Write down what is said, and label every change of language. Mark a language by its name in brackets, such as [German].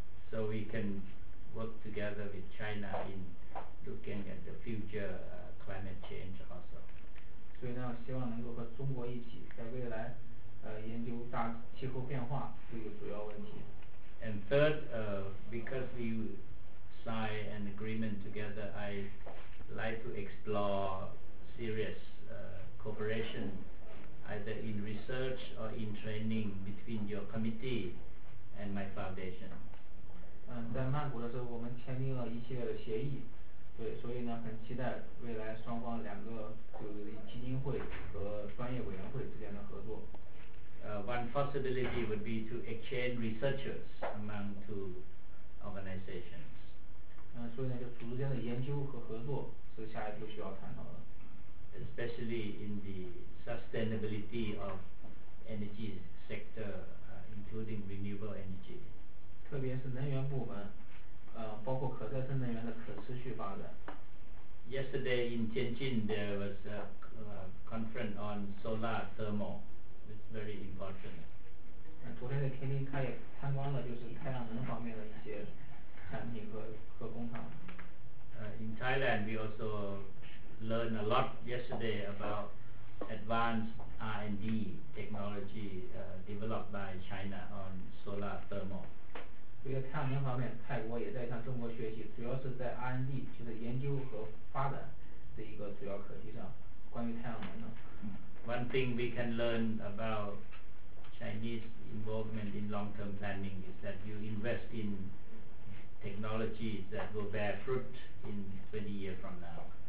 [English] So we can work together with China in looking at the future climate change also. [Chinese] 所以呢，希望能够和中国一起在未来，研究大气候变化这个主要问题。 [English] And third, because we sign an agreement together, I like to explore serious cooperation, either in research or in training between your committee. And my foundation. [Chinese] 在曼谷的时候，我们签订了一系列的协议，对，所以呢，很期待未来双方两个就是基金会和专业委员会之间的合作。 [English] One possibility would be to exchange researchers among two organizations. [Chinese] 所以呢，就组织间的研究和合作是下一步需要探讨的。 [English] Especially in the sustainability of energy sector. Including renewable energy. [Chinese] 特别是能源部门，包括可再生能源的可持续发展。 [English] Yesterday in Tianjin there was a conference on solar thermal. It's very important. [Chinese] 昨天在天津他也参观了就是太阳能方面的一些产品和工厂。 [English] In Thailand we also learned a lot yesterday about advancedR&D technology developed by China on solar thermal. [Chinese] 对太阳能方面，泰国也在向中国学习，主要是在 R&D， 就是研究和发展的一个主要课题上，关于太阳能的。 [English] One thing we can learn about Chinese involvement in long-term planning is that you invest in technologies that will bear fruit in 20 years from now.